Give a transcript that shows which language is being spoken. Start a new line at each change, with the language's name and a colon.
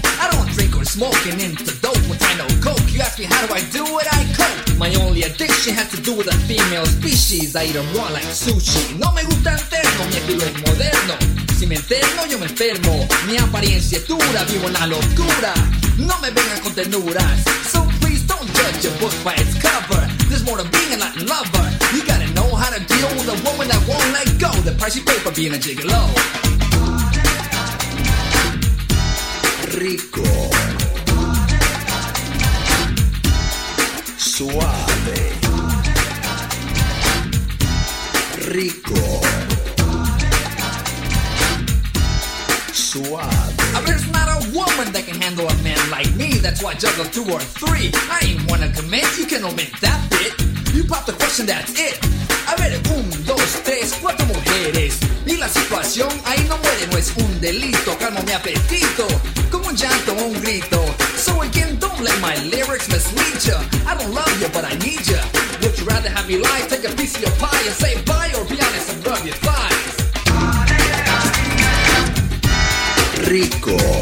English: I don't drink or smoke and into dope with I no coke. You ask me how do I do it, I cope. My only addiction has to do with a female species. I eat them raw like sushi.
Spanish: No me gusta el terno, mi estilo es moderno. Si me enfermo, yo me enfermo. Mi apariencia es dura, vivo en la locura. No me vengan con ternuras.
English: So please don't judge a book by its cover. There's more to being a Latin lover. You gotta know how to deal with a woman that won't let go. The price you pay for being a gigolo.
Spanish: Rico, suave, rico, suave.
English: I bet it's not a woman that can handle a man like me. That's why I juggle two or three. I ain't wanna commit, you can omit that bit. You pop the question, that's it.
Spanish: A ver, un, dos, tres, cuatro mujeres. Y la situación ahí no muere, no es un delito. Calmo mi apetito, como un llanto o un grito.
English: So again, don't let my lyrics mislead ya. I don't love you, but I need ya. Would you rather have me lie, take a piece of your pie, and say bye, or be honest and rub your thighs?
Spanish: Rico.